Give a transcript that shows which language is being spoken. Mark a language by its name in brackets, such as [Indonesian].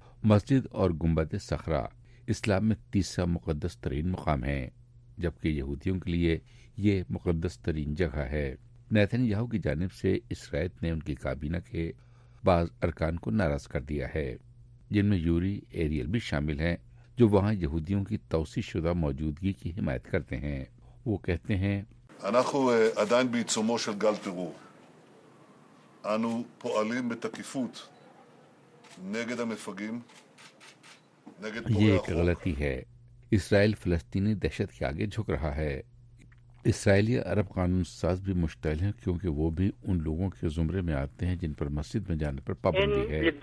[Urdu] مسجد اور گنبد صخرہ اسلام میں تیسرا مقدس ترین مقام ہے، جبکہ یہودیوں کے لیے یہ مقدس ترین جگہ ہے۔ نیتن یاہو کی جانب سے اسرائیل نے ان کی کابینہ کے بعض ارکان کو ناراض کر دیا ہے، جن میں یوری ایریل بھی شامل ہیں جو وہاں یہودیوں کی توسیع شدہ موجودگی کی حمایت کرتے ہیں۔ وہ کہتے ہیں، [Hebrew] אנחנו עדיין בעיצומו של גל טרור, אנו פועלים בתקיפות נגד המפגעים, נגד פורעי החוק. יהיה קרלתי ہے. [Urdu] اسرائیل فلسطینی دہشت کے آگے جھک رہا ہے. اسرائیلی عرب قانون ساز بھی مشتعل ہیں کیونکہ وہ بھی ان لوگوں کے زمرے میں آتے ہیں جن پر مسجد میں جانے پر پابندی ہے.